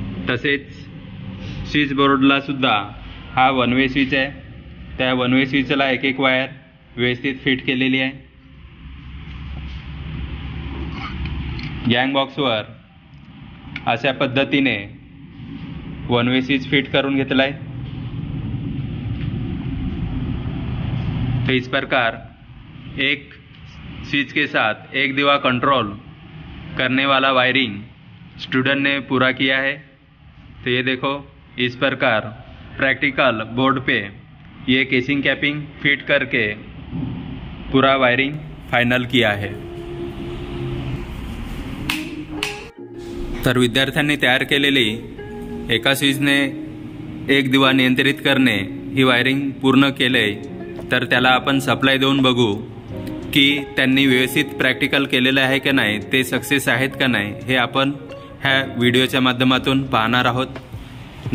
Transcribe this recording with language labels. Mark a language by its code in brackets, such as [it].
[mr] तसेच स्विच बोर्डला सुद्धा हा वन वे स्विच आहे, त्या वन वे स्विचला एक एक वायर व्यवस्थित फिट केलेली आहे। गँग बॉक्सवर अशा पद्धतीने वन वे स्विच फिट करून घेतलाय। [hi] तो इस प्रकार एक स्विच के साथ एक दिवा कंट्रोल करने वाला वायरिंग स्टूडेंट ने पूरा किया है। तो ये देखो, इस प्रकार प्रैक्टिकल बोर्ड पे ये केसिंग कैपिंग फिट करके पूरा वायरिंग फाइनल किया है। [mr] तर विद्यार्थ्यांनी तैयार केलेली एका स्विचने एक दिवा नियंत्रित करणे ही वायरिंग पूर्ण केले, तर त्याला आपण सप्लाय देऊन बघू की त्यांनी व्यवस्थित प्रॅक्टिकल केलेलं आहे का नाही, ते सक्सेस आहेत का नाही हे आपण ह्या व्हिडिओच्या माध्यमातून पाहणार आहोत।